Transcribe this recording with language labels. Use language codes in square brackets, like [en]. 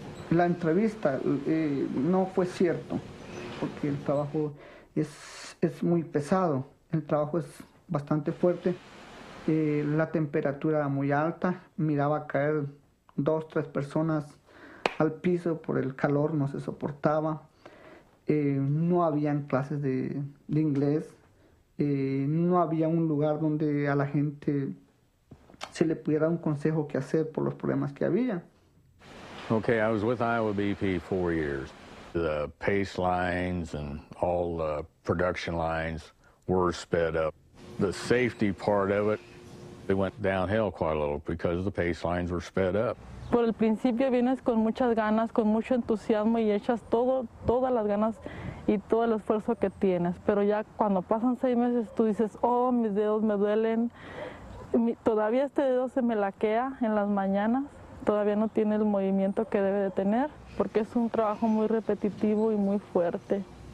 [es] la entrevista, no fue cierto porque el trabajo es muy pesado, el trabajo es bastante fuerte, la temperatura era muy alta, miraba caer 2-3 personas al piso por el calor, no se soportaba. No habían clases de inglés, no había un lugar donde a la gente se le pudiera un consejo qué hacer por los problemas que había. [en] Okay, I was with Iowa BP 4 years. The pace lines and all the production lines were sped up. The safety part of it, they went downhill quite a little because the pace lines were sped up. [es] Por el principio vienes con muchas ganas, con mucho entusiasmo y echas todas las ganas y todo el esfuerzo que tienes. Pero ya cuando pasan 6 meses, tú dices, oh, mis dedos me duelen. Todavía este dedo se me laquea en las mañanas. Todavía no tiene el movimiento que debe de tener porque es un trabajo muy repetitivo y muy fuerte.